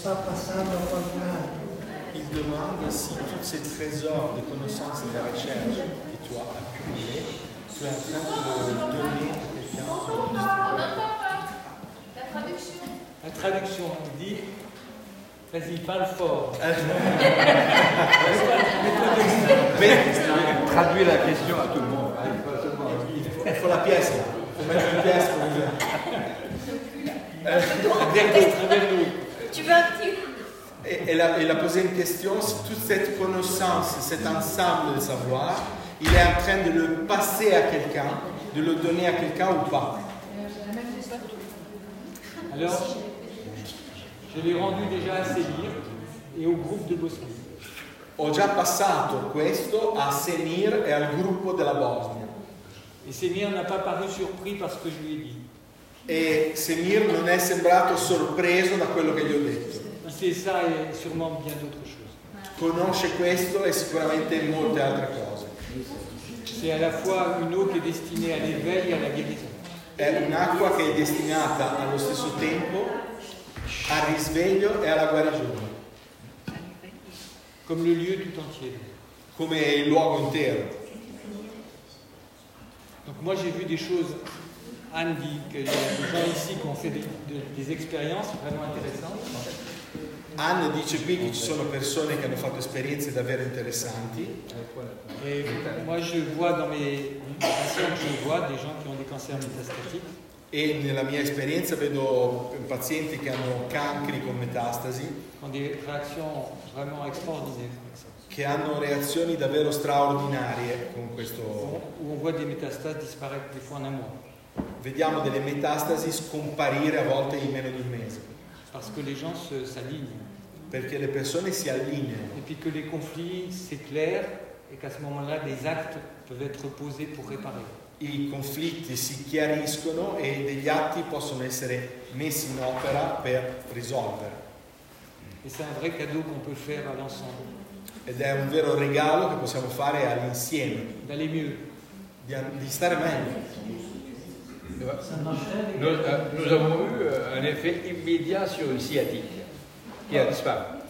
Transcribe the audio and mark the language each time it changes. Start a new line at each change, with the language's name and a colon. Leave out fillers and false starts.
Italian: Il domanda si tutto questo tesoro di conoscenze e di ricerche che tu hai accumulato, tu hai accumulato il domino che ti ha accumulato. La traduzione. La traduzione
French: dit: vas-y, parle fort. Traduis la question à tout le monde. Hein, il faut la pièce. Il faut mettre une pièce pour vous. Tu veux un petit coup? Elle a posé une question, si toute cette connaissance, cet ensemble de savoir, il est en train de le passer à quelqu'un, de le donner à quelqu'un ou pas? Alors, je l'ai rendu déjà à Semir et au groupe de Bosnie.
Italian: Ho già passato questo a Semir et al gruppo della Bosnia.
French: Et Semir n'a pas paru surpris par ce que je lui ai dit.
Italian: E Semir non è sembrato sorpreso da quello che gli ho detto.
French: C'est ça et sûrement bien d'autres choses.
Italian: Conosce questo e sicuramente molte altre cose.
French: C'est à la fois une eau qui est destinée à l'éveil et à la guérison.
Italian: È un'acqua che è destinata allo stesso tempo al risveglio e alla guarigione.
French: Comme le lieu tout entier.
Italian: Come il luogo intero.
French: Donc moi j'ai vu des choses. Anne dit que les gens ici qui ont fait des expériences vraiment intéressantes.
Italian: Anne dice qui que ci sono persone che hanno fatto esperienze davvero interessanti.
French: Et moi je vois dans mes patients que je vois des gens qui ont des cancers métastatiques.
Italian: E nella mia esperienza vedo pazienti che hanno cancri con metastasi.
French: Con des réactions vraiment extraordinaires.
Italian: Che hanno reazioni davvero straordinarie con questo.
French: Où on voit des métastases disparaître des fois en un mois.
Italian: Vediamo delle metastasi scomparire a volte in meno di un mese.
French: Parce que les gens s'alignent.
Italian: Perché le persone si allineano.
French: Et puis que les conflits s'éclairent et qu'à ce moment-là des actes peuvent être posés pour réparer.
Italian: I conflitti si chiariscono e degli atti possono essere messi in opera per risolvere.
French: Et c'est un vrai cadeau qu'on peut faire à l'ensemble.
Italian: Ed è un vero regalo che possiamo fare all'insieme.
French: D'aller mieux.
Italian: Di stare meglio.
French: Nous avons eu un effet immédiat sur une sciatique qui a disparu.